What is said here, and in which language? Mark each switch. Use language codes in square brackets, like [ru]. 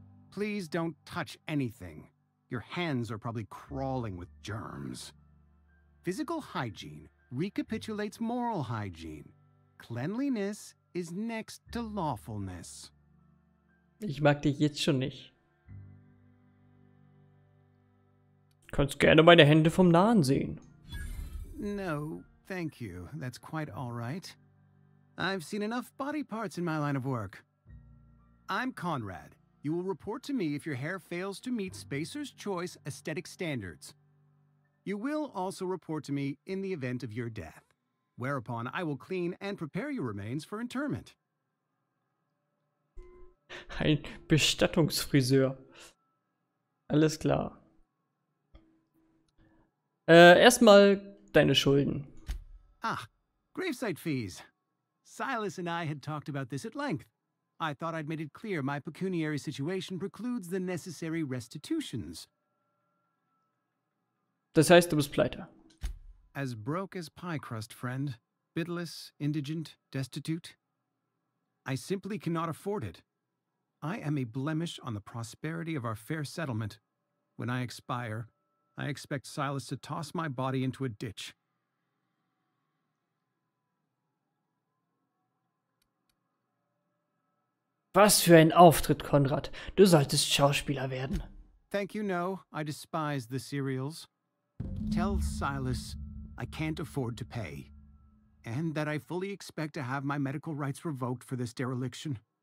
[en] Please don't touch anything. Your hands are probably crawling with germs. Physical hygiene recapitulates moral hygiene. Cleanliness is next to lawfulness. [de] Ich mag dich jetzt schon nicht. Du kannst gerne meine Hände vom Nahen sehen. [en] No, thank you. That's quite all right. I've seen enough body parts in my line of work. I'm Conrad. You will report to me if your hair fails to meet Spacer's Choice aesthetic standards. You will also report to me in the event of your death, whereupon I will clean and prepare your remains for interment. [de] Ein Bestattungsfriseur. Alles klar. Erstmal deine Schulden. [en] Ah, gravesite fees. Silas and I had talked about this at length. I thought I'd made it clear my pecuniary situation precludes the necessary restitutions. [de] Das heißt, du bist pleite. [en] As broke as pie crust, friend. Bitless, indigent, destitute. I simply cannot afford it. I am a blemish on the prosperity of our fair settlement. When I expire, I expect Silas to toss my body into a ditch. [de] Was für ein Auftritt, Konrad. Du solltest Schauspieler werden. [en] Thank you, no. I despise the serials. Tell Silas I can't afford to pay. And that I fully expect to have my medical rights revoked for this dereliction.